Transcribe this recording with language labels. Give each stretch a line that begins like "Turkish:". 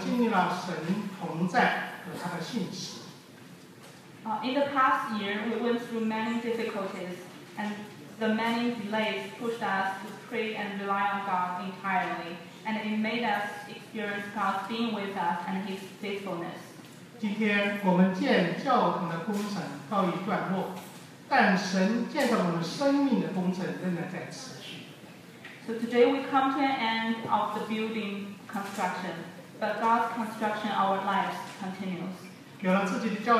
Chinese: 在一年多的建堂过程中，历经波折，屡次的单言，推动着弟兄姐妹啊恳切的祷告，仰望神，使我们经历了神同在和他的信实。
English: In the past year, we went through many difficulties, and the many delays pushed us to pray and rely on God entirely, and it made us experience God being with us and His faithfulness.
Chinese: 今天我们建教堂的工程告一段落，但神建造我们生命的工程仍然在持续。
English: So today we come to an end of the building construction, but God's construction of our lives continues.